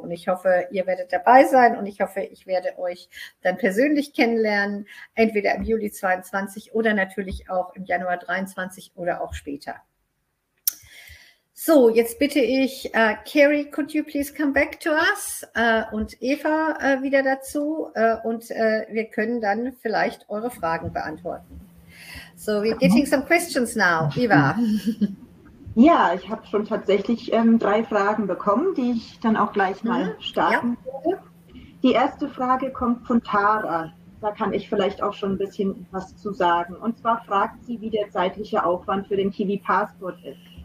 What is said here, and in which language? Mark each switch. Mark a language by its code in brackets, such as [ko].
[de] Und ich hoffe, ihr werdet dabei sein und ich hoffe, ich werde euch dann persönlich kennenlernen, entweder im Juli 22 oder natürlich auch im Januar 23 oder auch später. So, jetzt bitte ich [en] Carrie, could you please come back to us? [de] Und Eva wieder dazu und wir können dann vielleicht eure Fragen beantworten. [en] So, we're getting some questions now, Eva. [de] Ja, ich habe schon tatsächlich drei Fragen bekommen, die ich dann auch gleich mal starten werde. Die erste Frage kommt von Tara. Da kann ich vielleicht auch schon ein bisschen was zu sagen. Und zwar fragt sie, wie der zeitliche Aufwand für den Kiwi-Passport ist.